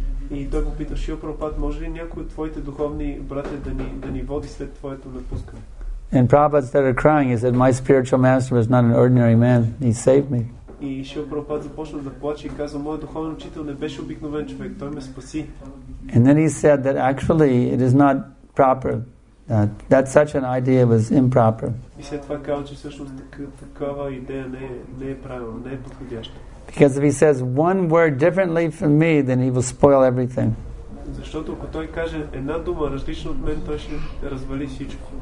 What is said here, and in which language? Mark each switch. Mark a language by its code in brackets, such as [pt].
[bg] И той го пита, Шрила Прабхупада, може ли някой от твоите духовни братя да ни води след твоето напускане? [en] And Prabhupada started crying. He said, my spiritual master was not an ordinary man. He saved me. [bg] И Шрила Прабхупада започна да плаче и каза, моят духовен учител не беше обикновен човек. Той ме спаси. [en] And then he said that actually it is not proper. That such an idea was improper. [bg] И след това каза, че всъщност такава идея не е правилна, не е подходяща. [en] Because if he says one word differently from me, then he will spoil everything. [bg] Защото ако той каже една дума различна от мен, той ще развали всичко.